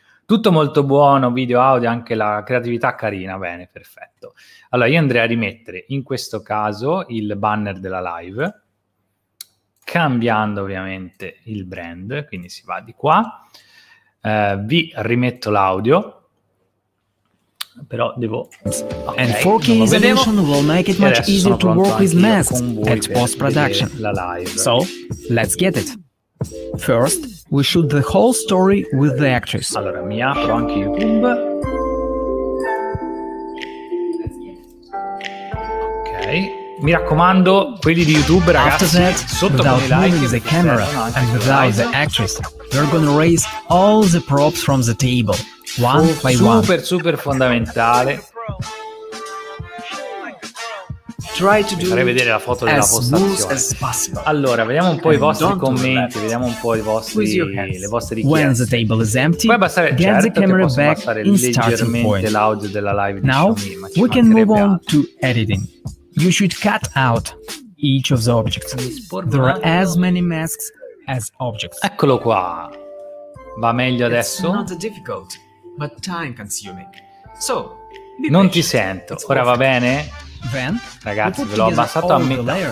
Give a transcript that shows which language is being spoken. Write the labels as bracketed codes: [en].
[it] Tutto molto buono, video, audio, anche la creatività carina, bene, perfetto. Allora, io andrei a rimettere in questo caso il banner della live, cambiando ovviamente il brand, quindi si va di qua, vi rimetto l'audio. Però devo [en] and 4K resolution will make it much easier to work with masks at post production. So, let's get it. First, we shoot the whole story with the actress. [it] Allora, mi apro anche YouTube. Ok, mi raccomando, quelli di YouTube, ragazzi, [en] after that, without moving the camera and without the actress, we're gonna raise all the props from the table. [it] Super fondamentale. Fare vedere la foto della postazione. Allora, vediamo un po' i vostri commenti, vediamo un po' le vostre richieste. Puoi abbassare, certo, che posso abbassare leggermente l'audio della live. [en] Now we can move on to editing. You should cut out each of the objects. There are as many masks as objects. [it] Eccolo qua. Va meglio adesso? [en] But time consuming. So, [it] non ti sento. Ora va bene? Then, ragazzi, ve l'ho abbassato a metà.